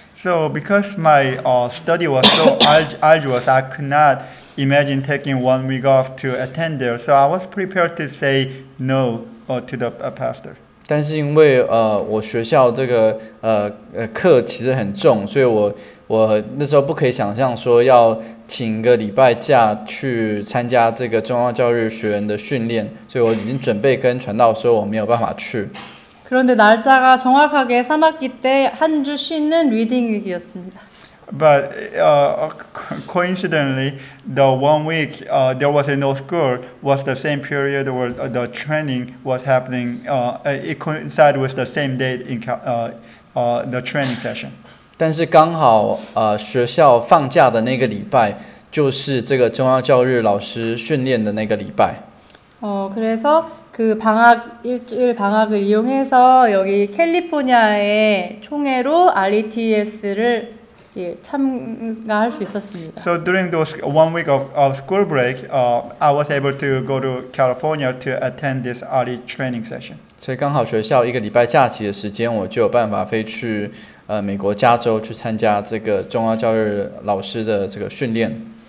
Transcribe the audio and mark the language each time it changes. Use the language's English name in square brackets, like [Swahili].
[English] So because my study was so arduous, I could not imagine taking 1 week off to attend there. So I was prepared to say no to the pastor. [Chinese] 但是因为我学校这个课其实很重，所以我那时候不可以想象说要请个礼拜假去参加这个中央教育学院的训练，所以我已经准备跟传道说我没有办法去。 [Korean] 그런데날짜가정확하게3학기때한주쉬는리딩윅이었습니다 [English] But coincidentally, the 1 week there was no school was the same period where the training was happening. It coincided with the same date in the training session. [Chinese] 但是刚好学校放假的那个礼拜就是这个中央教育老师训练的那个礼拜。 [Korean] 그래서그방학일주일방학을이용해서여기캘리포니아의총회로 RETS 를참가할수있었습니다 [English] So during those 1 week of school break, I was able to go to California to attend this RE training session. [Chinese] 所以刚好学校一个礼拜假期的时间，我就有办法飞去美国加州去参加这个中央教育老师的这个训练。